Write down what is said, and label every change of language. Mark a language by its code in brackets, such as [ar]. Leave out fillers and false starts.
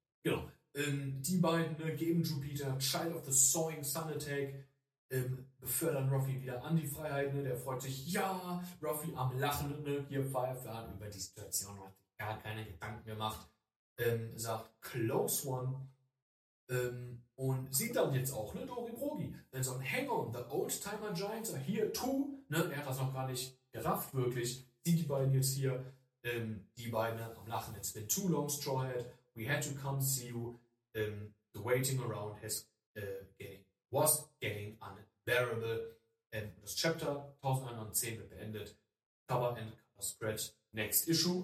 [de] Genau. Die beiden geben Jupiter Child of the Sawing Sun Attack, befördern Ruffy wieder an die Freiheit. Ne? Der freut sich, ja, Ruffy am Lachen. Ne? Hier Firefly über die Situation hat gar keine Gedanken gemacht. Sagt, [en] close one. [de] Und sieht dann jetzt auch ne Dory Progi. [en] Also, hang on, the old timer giants are here too. [de] Ne? Er hat das noch gar nicht gerafft, wirklich. Sieht die beiden jetzt hier. Die beiden am Lachen. [en] It's been too long, Straw Hat. We had to come see you. The waiting around was getting unbearable. [de] Das Chapter 1110 wird beendet. Cover and cover spread. Next issue.